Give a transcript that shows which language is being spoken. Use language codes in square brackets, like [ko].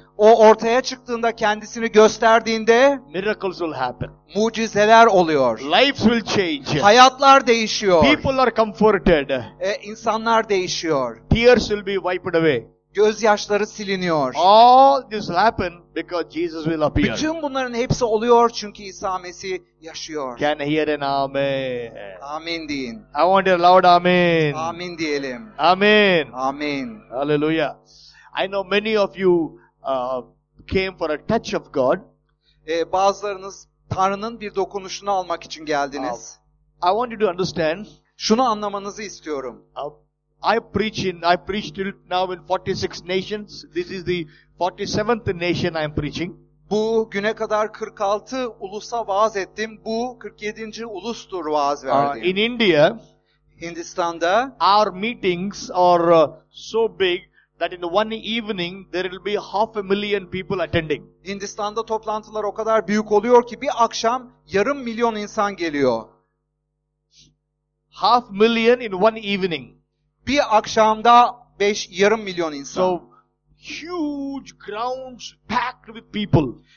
[tr] o ortaya çıktığında, kendisini gösterdiğinde, [en] miracles will happen. [tr] Mucizeler oluyor. [en] Lives will change. [tr] Hayatlar değişiyor. [en] People are comforted. [tr] İnsanlar değişiyor. [en] Tears will be wiped away. [tr] Gözyaşları siliniyor. [en] All this will happen because Jesus will appear. [tr] Bütün bunların hepsi oluyor çünkü İsa Mesih yaşıyor. [en] Can I hear an amen? [tr] Amin deyin. [en] I want a loud amen. [tr] Amin diyelim. [en] Amen. [tr] Amin. [en] Hallelujah. I know many of you came for a touch of God. [tr] Bazılarınız Tanrı'nın bir dokunuşunu almak için geldiniz. [en] I want you to understand. [tr] Şunu anlamanızı istiyorum. [en] I preach till now in 46 nations. This is the 47th nation I am preaching. [tr] Bu güne kadar 46 ulusa vaaz ettim. Bu 47. ulustur vaaz verdiğim. [en] In India, [tr] Hindistan'da. [en] Our meetings are so big that in one evening there will be 500,000 people attending. [tr] Hindistan'da toplantılar o kadar büyük oluyor ki bir akşam 500,000 insan geliyor. [en] 500,000 in one evening. [tr] Bir akşamda 500,000 insan. [en] So huge grounds packed with people.